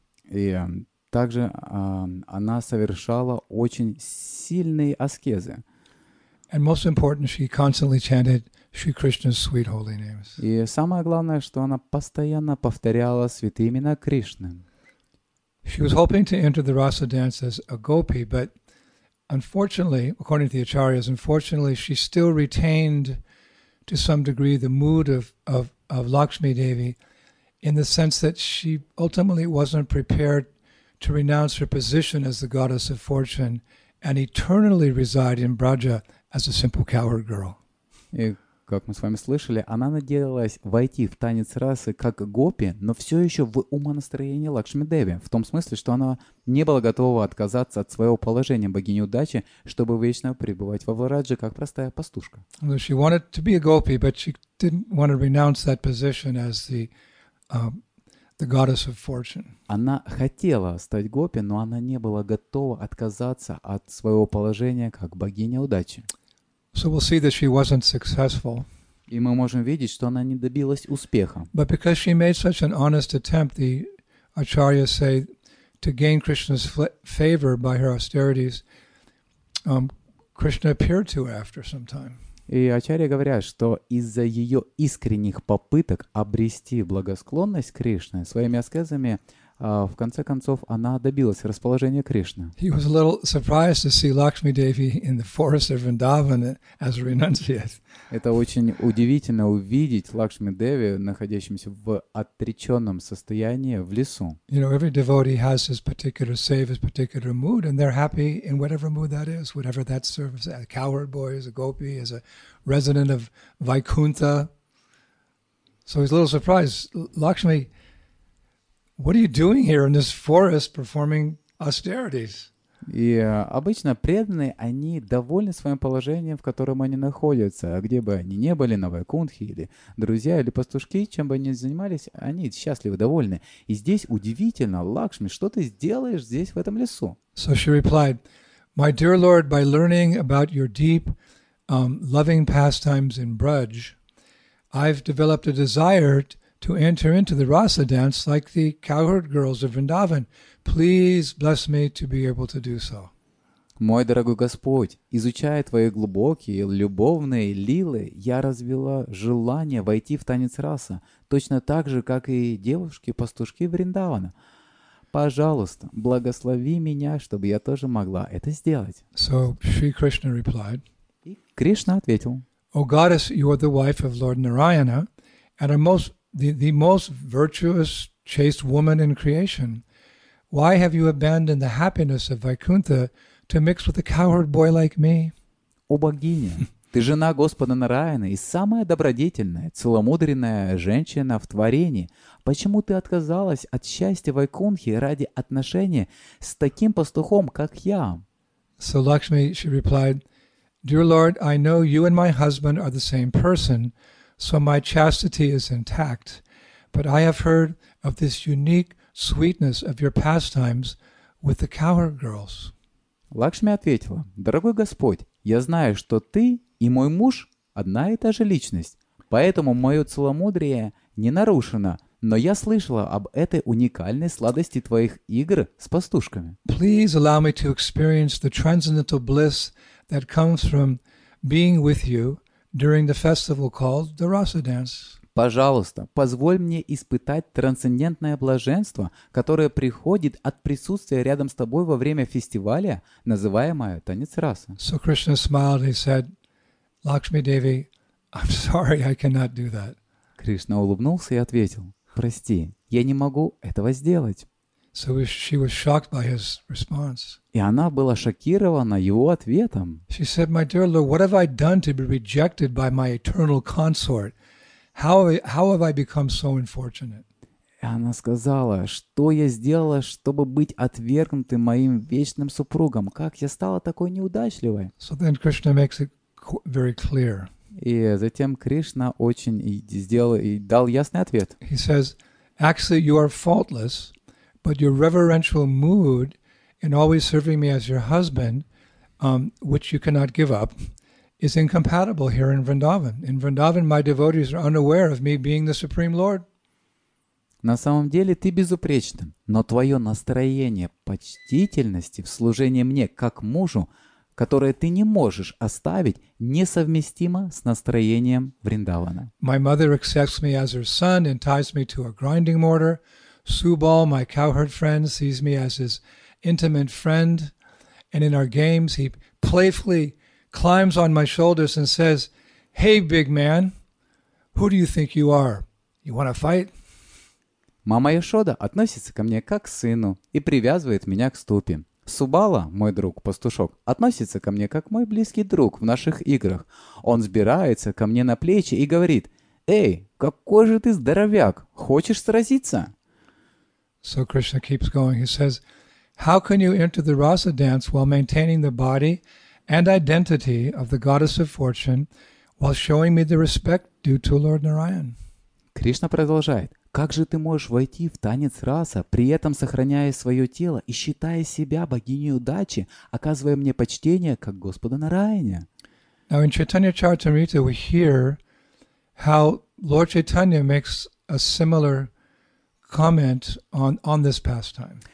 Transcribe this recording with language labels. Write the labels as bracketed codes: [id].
[ru] И также она совершала очень сильные аскезы. [en] And most important, she constantly chanted Shri Krishna's sweet holy names. [ru] И самое главное, что она постоянно повторяла святые имена Кришны. [en] She was hoping to enter the rasa dance as a gopi, but unfortunately, according to the acharyas, unfortunately, she still retained to some degree the mood of Lakshmi Devi in the sense that she ultimately wasn't prepared to renounce her position as the goddess of fortune and eternally reside in Braja as a simple cowherd girl. [ru] Как мы с вами слышали, она надеялась войти в танец расы как гопи, но все еще в умонастроении Лакшми Деви, в том смысле, что она не была готова отказаться от своего положения богини удачи, чтобы вечно пребывать во Враджа как простая пастушка. [en] She wanted to be a gopi, but she didn't want to renounce that position as the goddess of fortune. [ru] Она хотела стать гопи, но она не была готова отказаться от своего положения как богиня удачи. [en] So we'll see that she wasn't successful. [ru] И мы можем видеть, что она не добилась успеха. [en] But because she made such an honest attempt, the acharyas say, to gain Krishna's favor by her austerities, Krishna appeared to her after some time. [ru] И ачарьи говорят, что из-за ее искренних попыток обрести благосклонность Кришны своими аскезами, в конце концов, она добилась расположения Кришны. [en] He was a little surprised to see Lakshmi Devi in the forest of Vrindavan as a renunciate. [ru] Это очень удивительно увидеть Лакшми Деви, находящимся в отреченном состоянии в лесу. [en] You know, every devotee has his particular save, his particular mood, and they're happy in whatever mood that is, whatever that serves, as a cowherd boy, as a gopi, as a resident of Vaikuntha. So he's a little surprised. Lakshmi, what are you doing here in this forest performing austerities? [ru] И обычно преданные, они довольны своим положением, в котором они находятся. А где бы они ни были, на Вайкунтхе, или друзья, или пастушки, чем бы они ни занимались, они счастливы, довольны. И здесь удивительно, Лакшми, что ты сделаешь здесь, в этом лесу? [en] So she replied, my dear Lord, by learning about your deep loving pastimes in Braj, I've developed a desire to enter into the rasa dance like the cowherd girls of Vrindavan. Please bless me to be able to do so. [ru] Мой дорогой Господь, изучая твои глубокие любовные лилы, я развила желание войти в танец раса, точно так же, как и девушки-пастушки Вриндавана. Пожалуйста, благослови меня, чтобы я тоже могла это сделать. [en] So Sri Krishna replied, [ru] и Кришна ответил: [en] O goddess, you are the wife of Lord Narayana and are most, the most virtuous, chaste woman in creation. Why have you abandoned the happiness of Vaikuntha to mix with a coward boy like me? [ru] О богиня, ты жена Господа Нараяны и самая добродетельная, целомудренная женщина в творении. Почему ты отказалась от счастья Вайкунхи ради отношения с таким пастухом, как я? [en] So Lakshmi, she replied, Dear Lord, I know you and my husband are the same person, so my chastity is intact. But I have heard of this unique sweetness of your pastimes with the cowherd girls. [ru] Лакшми ответила, «Дорогой Господь, я знаю, что ты и мой муж – одна и та же личность, поэтому мое целомудрие не нарушено, но я слышала об этой уникальной сладости твоих игр с пастушками». [en] Please allow me to experience the transcendental bliss that comes from being with you during the festival called the Rasa Dance. [ru] Пожалуйста, позволь мне испытать трансцендентное блаженство, которое приходит от присутствия рядом с тобой во время фестиваля, называемого «Танец расы». [en] So Krishna smiled and said, Lakshmi Devi, I'm sorry, I cannot do that. [ru] Кришна улыбнулся и ответил, прости, я не могу этого сделать. [en] So she was shocked by his response. [ru] И она была шокирована его ответом. [en] She said, my dear Lord, what have I done to be rejected by my eternal consort? How have I become so unfortunate? [ru] И она сказала, что я сделала, чтобы быть отвергнутым моим вечным супругом? Как я стала такой неудачливой? [en] So then Krishna makes it very clear. [ru] И затем Кришна очень сделал и дал ясный ответ. [en] He says, actually, you are faultless, but your reverential mood in always serving me as your husband, which you cannot give up, is incompatible here in Vrindavan. In Vrindavan, my devotees are unaware of me being the Supreme Lord. [ru] На самом деле ты безупречна, но твое настроение почтительности в служении мне как мужу, которое ты не можешь оставить, несовместимо с настроением Вриндавана. [en] My mother accepts me as her son and ties me to a grinding mortar. Subal, my cowherd friend, sees me as his intimate friend, and in our games he playfully climbs on my shoulders and says, Hey, big man, who do you think you are? You want to fight? [ru] Мама Яшода относится ко мне как к сыну и привязывает меня к ступе. Субала, мой друг, пастушок, относится ко мне как мой близкий друг в наших играх. Он сбирается ко мне на плечи и говорит, Эй, какой же ты здоровяк, хочешь сразиться? [en] So Krishna keeps going. He says, How can you enter the rasa dance while maintaining the body and identity of the goddess of fortune while showing me the respect due to Lord Narayan. [ru] Кришна продолжает. Как же ты можешь войти в танец раса, при этом сохраняя свое тело и считая себя богиней удачи, оказывая мне почтение как Господа Нараяне? [en] Now in Chaitanya Charitamrita we hear how Lord Chaitanya makes a similar comment on this pastime.